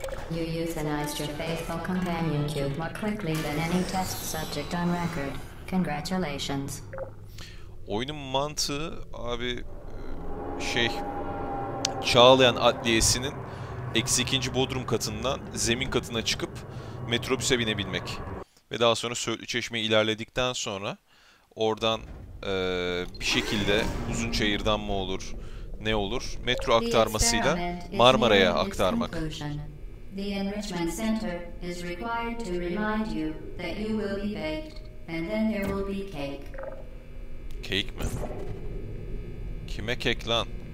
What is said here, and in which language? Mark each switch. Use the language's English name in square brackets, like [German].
[English] Your faithful companion cube more quickly than any test subject on record. Congratulations. [Turkish] Oyunun mantığı abi şey, Çağlayan Adliyesi'nin -2. bodrum katından zemin katına çıkıp metrobüse binebilmek. Ve daha sonra Söğütlü Çeşme'ye ilerledikten sonra oradan bir şekilde uzun çayırdan mı olur, ne olur, metro aktarmasıyla Marmara'ya aktarmak. [English] The Enrichment Center is required to remind you that you will be baked, and then there will be cake. [Turkish] Cake mi? Kime kek lan?